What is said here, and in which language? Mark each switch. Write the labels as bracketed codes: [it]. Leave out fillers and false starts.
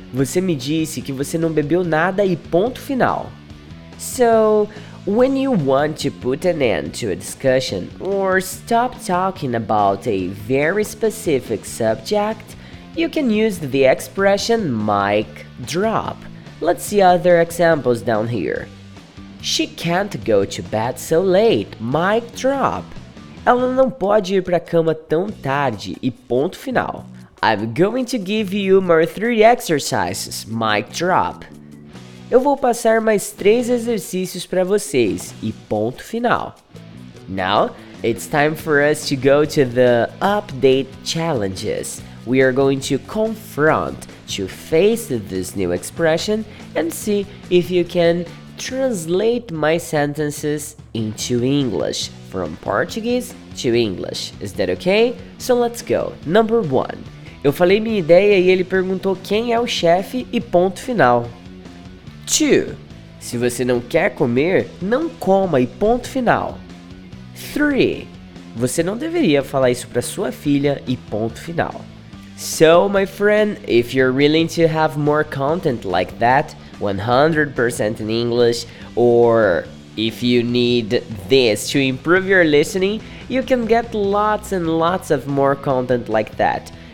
[pt] Você me disse que você não bebeu nada e ponto final. [en] So, when you want to put an end to a discussion or stop talking about a very specific subject, you can use the expression mic drop. Let's see other examples down here. She can't go to bed so late. Mic drop. [pt] Ela não pode ir para a cama tão tarde e ponto final. [en] I'm going to give you more 3 exercises. [pt] Mic drop. Eu vou passar mais 3 exercícios para vocês, e ponto final. [en] Now, it's time for us to go to the update challenges. We are going to confront, to face this new expression, and see if you can translate my sentences into English, from Portuguese to English. Is that okay? So let's go. Number 1. [pt] Eu falei minha ideia e ele perguntou quem é o chefe, e ponto final. 2. Se você não quer comer, não coma e ponto final. 3. Você não deveria falar isso para sua filha e ponto final. [en] So, my friend, if you're willing to have more content like that, 100% in English, or if you need this to improve your listening, you can get lots and lots of more content like that.